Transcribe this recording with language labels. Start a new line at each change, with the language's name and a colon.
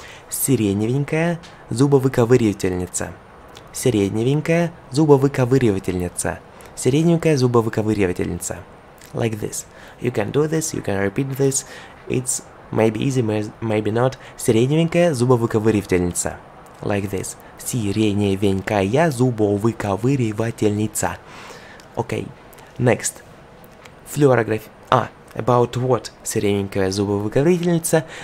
Russian: Сиреневенькая зубовыковыривательница. Сиреневенькая зубовыковыривательница. Сиреневенькая зубовыковыривательница.
English: Like this. You can do this, you can repeat this. It's maybe easy, maybe not.
Russian: Сиреневенькая зубовыковыривательница.
English: Like this.
Russian: Сиреневенькая зубовыковыривательница.
English: Okay. Next. Флюорография. About what?
Russian: Сиреневенькая зубовыковыривательница.